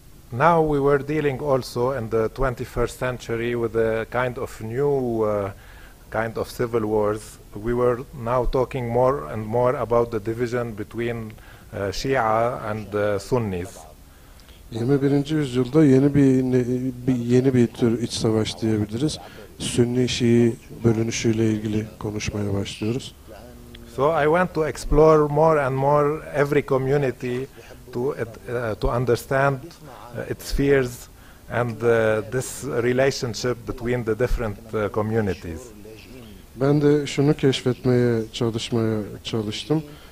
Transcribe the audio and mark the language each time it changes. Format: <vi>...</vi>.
<en>Now we were dealing also in the 21st century with a kind of new kind of civil wars. We were now talking more and more about the division between Shia and Sunnis.</en> <tr>21. yüzyılda yeni bir tür iç savaş diyebiliriz. Sünni Şii bölünüşüyle ilgili konuşmaya başlıyoruz.</tr> <en>So I went to explore more and more every community to understand its fears and this relationship between the different communities.</en> <tr>Ben de şunu keşfetmeye çalıştım.</tr>